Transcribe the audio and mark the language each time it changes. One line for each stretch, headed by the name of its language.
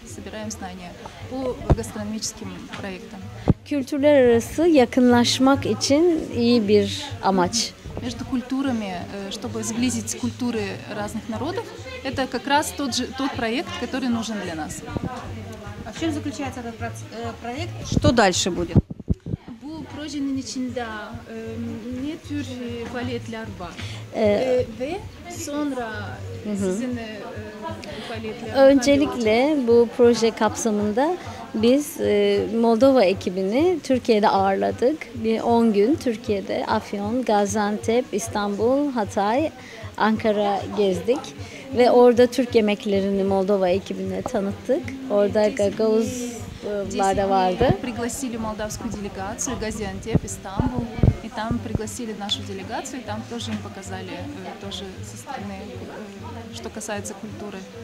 Russian: Собираем знания по гастрономическим проектам.
Turkish: Kültürler arası yakınlaşmak için iyi bir amaç.
Russian: Между культурами, чтобы сблизить культуры разных народов, это как раз тот проект, который нужен для нас. А в чем заключается этот проект? Что дальше будет?
Turkish: Bu projenin içinde ne tür faaliyetler var? Ve sonra sizin faaliyetler. Öncelikle bu proje kapsamında biz Moldova ekibini Türkiye'de ağırladık. Bir 10 gün Türkiye'de Afyon, Gaziantep, İstanbul, Hatay, Ankara gezdik. Ve orada Türk yemeklerini Moldova ekibine tanıttık. Orada gagavuzlar da vardı.
Russian: Пригласили молдавскую делегацию, Газиантеп, Истанбул. И там пригласили нашу делегацию, там тоже им показали, тоже со стороны, что касается культуры.